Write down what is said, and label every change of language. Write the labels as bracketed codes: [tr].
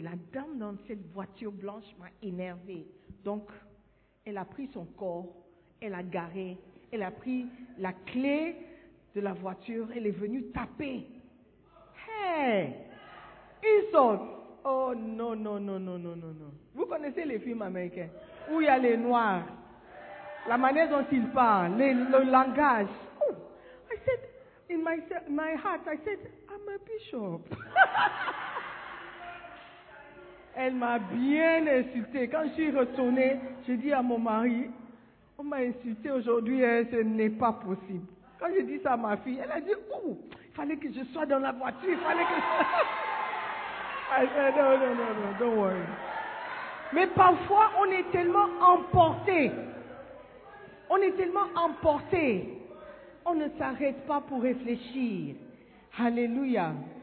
[fr] La dame dans cette voiture blanche m'a énervée. Donc, elle a pris son corps, elle a garé, elle a pris la clé de la voiture, elle est venue taper. Hey! Ils sont... Oh non, non, non, non, non, non, non. Vous connaissez les films américains? Où il y a les noirs? La manière dont ils parlent, le langage. [en] Oh, I said, in my heart, I said, I'm a bishop. [fr] Elle m'a bien insultée. Quand je suis retournée, j'ai dit à mon mari, on m'a insultée aujourd'hui, hein, ce n'est pas possible. Quand j'ai dit ça à ma fille, elle a dit, oh, il fallait que je sois dans la voiture, il fallait que je... [en] I said, no, no, no, no, don't worry. [fr] Mais parfois, on est tellement emporté. On est tellement emporté, on ne s'arrête pas pour réfléchir. Alléluia.